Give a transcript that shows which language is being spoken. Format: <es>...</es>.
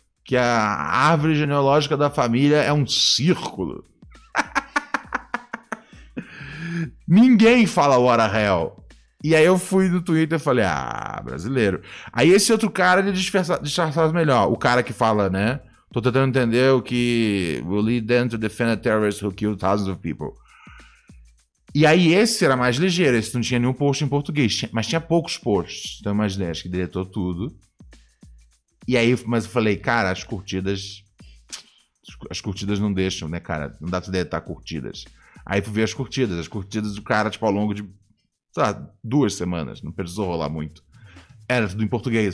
<pt>Que a árvore genealógica da família é um círculo. Ninguém fala</pt> <en>what a hell.</en> <pt>E aí eu fui no Twitter e falei, ah, brasileiro. Aí esse outro cara, ele disfarçava melhor, o cara que fala, né? Tô tentando entender o que...</pt> <en>We'll lead them to defend a terrorist who killed thousands of people.</en> <pt>E aí esse era mais ligeiro. Esse não tinha nenhum post em português. Mas tinha poucos posts. Então eu imaginei, acho que deletou tudo. E aí, mas eu falei, cara, as curtidas... As curtidas não deixam, né, cara? Não dá pra você deletar curtidas. Aí fui ver as curtidas do cara, tipo, ao longo de, sei lá, 2 semanas, não precisou rolar muito. Era tudo em português.</pt>